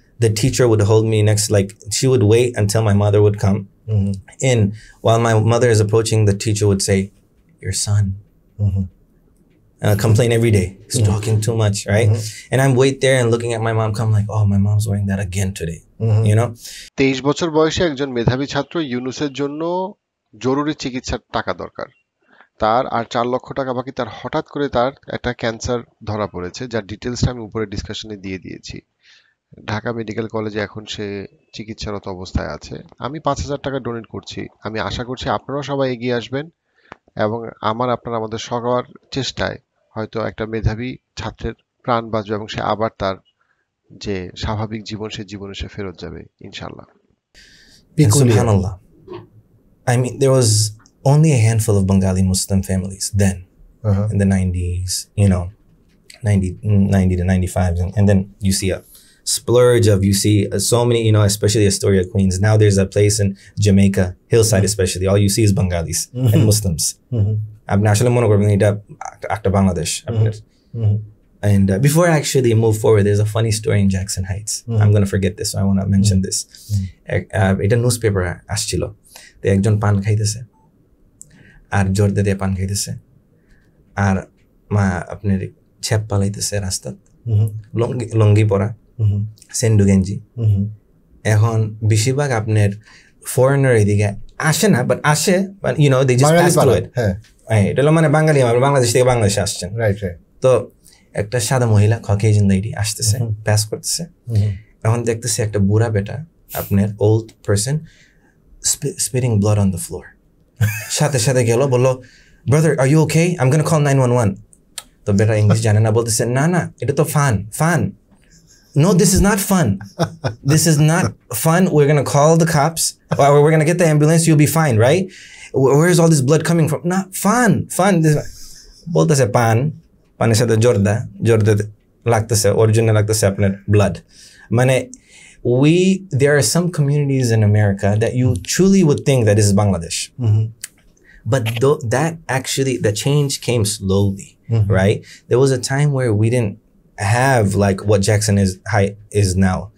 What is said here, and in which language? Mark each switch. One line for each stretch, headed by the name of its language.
English: the teacher would hold me next, like she would wait until my mother would come in. While my mother is approaching, the teacher would say, your son. And I'd complain every day, he's talking too much, right? And I'm wait there and looking at my mom come like, oh, my mom's wearing that again today, you know?
Bangla: 23 বছর বয়সে একজন মেধাবী ছাত্র ইউনুসের জন্য জরুরি চিকিৎসার টাকা দরকার। তার আর 4 লক্ষ টাকা বাকি তার হঠাৎ করে তার একটা ক্যান্সার ধরা পড়েছে যার ডিটেইলসটা আমি উপরে ডিসকাশনে দিয়ে দিয়েছি। ঢাকা মেডিকেল কলেজে এখন সে চিকিৎসারত অবস্থায় আছে। আমি 5000 টাকা ডোনেট করছি। আমি আশা করছি আপনারা সবাই এগিয়ে আসবেন এবং আমার আপনারা আমাদের সবার চেষ্টায় হয়তো একটা মেধাবী ছাত্রের প্রাণ বাঁচবে এবং সে আবার তার যে স্বাভাবিক জীবন সে জীবনে সে ফেরত যাবে ইনশাআল্লাহ।
English: সুবহানাল্লাহ, I mean there was only a handful of Bengali Muslim families then, in the 90s, you know, 90 to 95. And then you see a splurge of, you see so many, you know, especially Astoria, Queens. Now there's a place in Jamaica, Hillside especially, all you see is Bengalis and Muslims. And before I actually move forward, there's a funny story in Jackson Heights. I'm going to forget this, so I want to mention this. It's a newspaper, Aschilo. They
Bangla: ekjon pan khaitese. আর জোর দিয়ে পান খাইতেছে আর মা আপনার ছেপ পালাইতেছে রাস্তাত লঙ্গি পরা সেন্ডু গেঞ্জি। এখন বেশিরভাগ আপনার ফরেনার এদিকে আসে না, বাট আসে,
English: You know, they just pass through it.
Bangla: এটা হলো মানে বাঙালি, আমরা বাংলাদেশ থেকে বাংলাদেশে আসছেন,
English: Right?
Bangla: তো একটা সাদা মহিলা ককেজিয়ান লেডি আসতেছে, পাস করতেছে। এখন দেখতেছে একটা বুড়া বেটা আপনার
English: Old person spitting blood on the floor.
Bangla: সাথে সাথে গেল, বললো,
English: Brother, are you okay? I am gonna call 911।
Bangla: তো বেটা ইংলিশ জানে না, বলতেছে, না না, এটা তো fun fun,
English: No, this is not fun, this is not fun, we are gonna call the cops, or we are gonna get the ambulance, you be fine, right? Where is all this blood coming from?
Bangla: না, fun fun, বলতেছে পান, পানের সাথে জর্দা জর্দা লাগতেছে, ওর জন্য লাগতেছে আপনার ব্লাড।
English: মানে we, there are some communities in America that you truly would think that this is Bangladesh. But that actually, the change came slowly, right? There was a time where we didn't have like what Jackson is now.